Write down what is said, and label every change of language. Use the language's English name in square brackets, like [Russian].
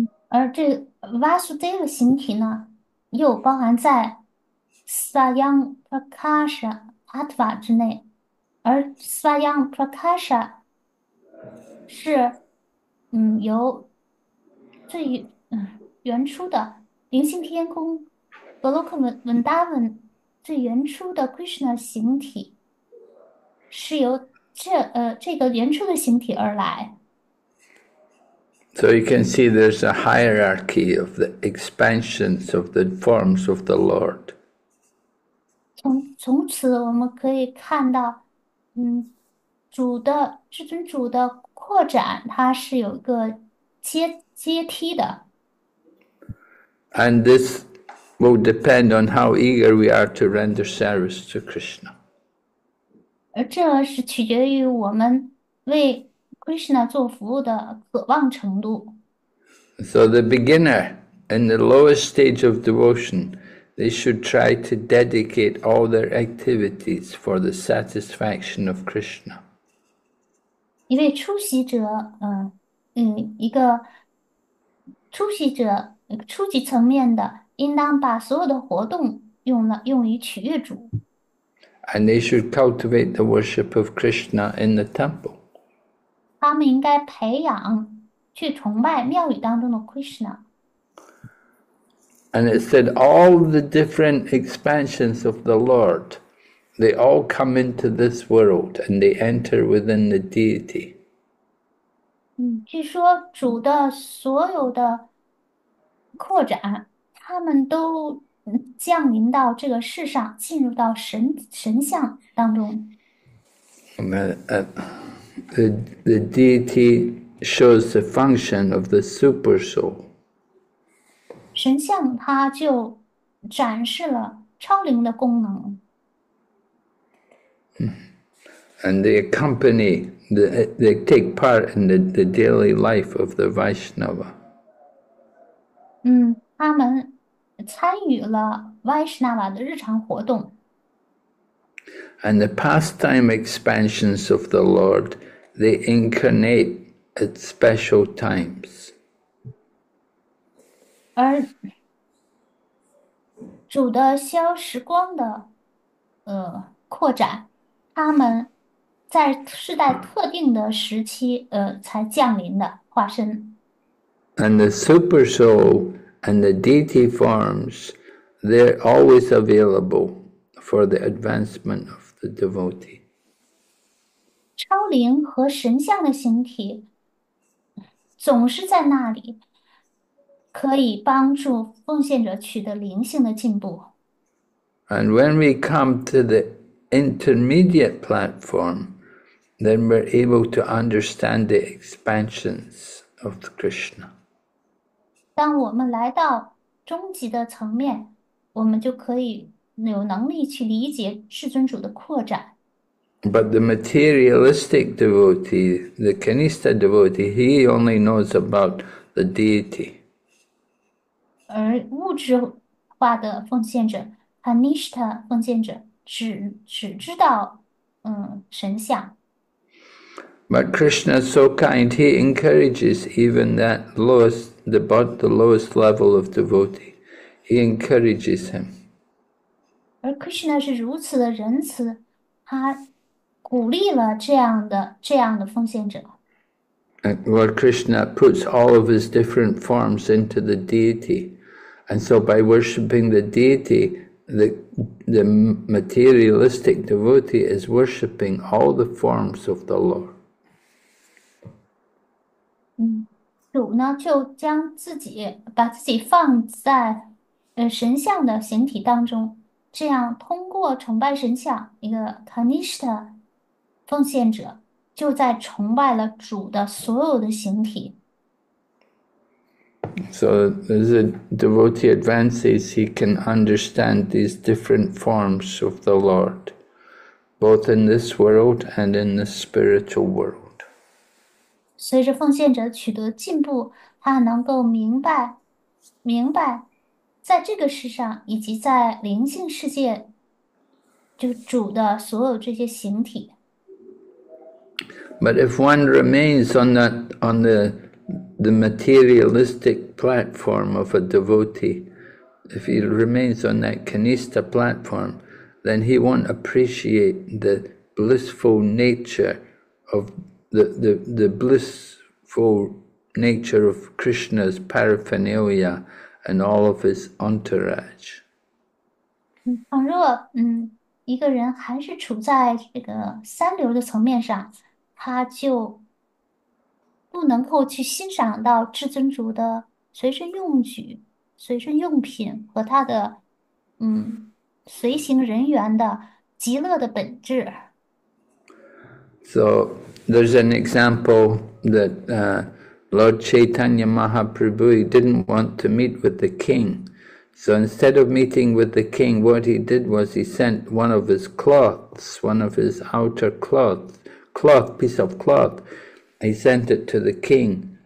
[Chinese] 而这 Vasudeva 形体呢，又包含在 Svayam Prakasha Atva 之内，而 Svayam Prakasha 是由最原初的灵性天空 Goloka Vrindavan 最原初的 Krishna 形体，是由这个原初的形体而来。 [English] So you can see there's a hierarchy of the expansions of the forms of the Lord. [Chinese] 从此，我们可以看到，至尊主的扩展，它是有一个阶梯的。 [English] And this will depend on how eager we are to render service to Krishna. [Chinese] 而这是取决于我们为 Krishna 做服务的渴望程度。 [English] So the beginner in the lowest stage of devotion, they should try to dedicate all their activities for the satisfaction of Krishna. [Chinese] 一位初习者，一个初级层面的应当把所有的活动用于取悦主。 [English] And they should cultivate the worship of Krishna in the temple. [Chinese] 他们应该培养去崇拜庙宇当中的 Krishna。 [English] And it said all the different expansions of the Lord, they all come into this world and they enter within the deity. [Chinese] 据说主的所有的扩展，他们都降临到这个世上，进入到神像当中。 [English] The deity shows the function of the super soul. [Chinese] 神像它就展示了超灵的功能。 [English] And they accompany, they take part in the daily life of the Vaishnava. [Chinese] 他们参与了 Vaishnava 的日常活动。 [English] And the pastime expansions of the Lord, they incarnate at special times. [Chinese] 而主的消时光的扩展，他们在世代特定的时期才降临的化身。 [English] And the super soul and the deity forms, they're always available for the advancement of the devotee. [Chinese] 超灵和神像的形体总是在那里。可以帮助奉献者取得灵性的进步。 [English] And when we come to the intermediate platform, then we're able to understand the expansions of Krishna. [Chinese] 当我们来到终极的层面，我们就可以有能力去理解世尊主的扩展。 [English] But the materialistic devotee, the Kanista devotee, he only knows about the deity. [Chinese] 而物质化的奉献者，Anishta 奉献者，只知道，神像。 [English] But Krishna is so kind, he encourages even that lowest, the lowest level of devotee. He encourages him. [Chinese] 而 Krishna 是如此的仁慈，他鼓励了这样的奉献者。 [English] Lord Krishna puts all of his different forms into the deity. And so by worshipping the deity, the materialistic devotee is worshipping all the forms of the Lord. [Chinese] 主呢，就把自己放在神像的形体当中，这样通过崇拜神像，一个 Kanishta 奉献者就在崇拜了主的所有的形体。 [English] So, as the devotee advances, he can understand these different forms of the Lord, both in this world and in the spiritual world. [Chinese] 随着奉献者取得进步，他能够明白，在这个世上以及在灵性世界，就主的所有这些形体。 [English] But if one remains on that, on the materialistic platform of a devotee, if he remains on that Kanista platform, then he won't appreciate the blissful nature of the blissful nature of Krishna's paraphernalia and all of his entourage. [Chinese] 倘若一个人还是处在这个三流的层面上，他就不能够去欣赏到至尊主的随身用品和他的随行人员的极乐的本质。 [English] So there's an example that Lord Chaitanya Mahaprabhu didn't want to meet with the king. So instead of meeting with the king, what he did was he sent one of his cloths, one of his outer piece of cloth, he sent it to the king.